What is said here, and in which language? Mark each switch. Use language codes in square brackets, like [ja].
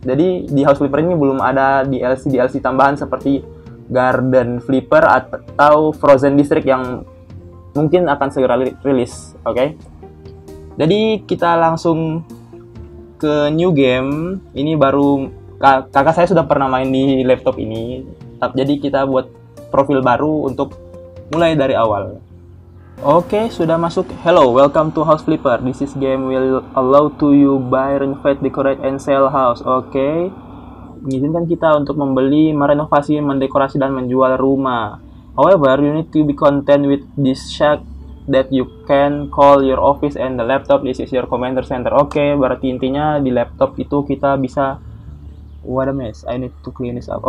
[id] Jadi di House Flipper ini belum ada DLC tambahan seperti Garden Flipper atau Frozen District yang mungkin akan segera rilis, oke? Jadi kita langsung ke new game. Ini baru kakak saya sudah pernah main di laptop ini. Jadi kita buat profil baru untuk mulai dari awal. Oke, sudah masuk. [en] Hello, welcome to House Flipper. This is game will allow to you buy, renovate, decorate, and sell house. [id] Oke, mengizinkan kita untuk membeli, merenovasi, mendekorasi, dan menjual rumah. [en] However, you need to be content with this shack that you can call your office and the laptop. This is your commander center. [id] Oke, berarti intinya di laptop itu kita bisa... [en] What a mess, I need to clean this up.